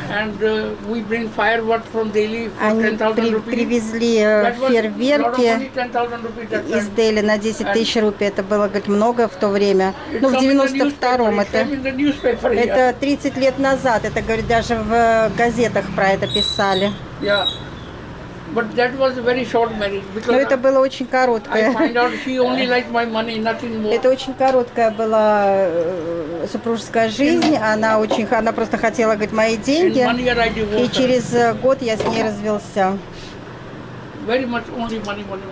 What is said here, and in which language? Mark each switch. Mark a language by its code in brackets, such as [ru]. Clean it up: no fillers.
[en] And we bring firework from Delhi for 10,000 rupees. [ru] Они привезли фейерверки из Дели на 10,000 рупий. Это было, говорит, много в то время. Ну, в 92-м это 30 лет назад. Это, говорит, даже в газетах про это писали. [en] Yeah. But that was a very short marriage because [ru] но это было очень короткое. Это очень короткая была супружеская жизнь. Она просто хотела, говорит, мои деньги. И через год я с ней развелся. [en] Very much only money.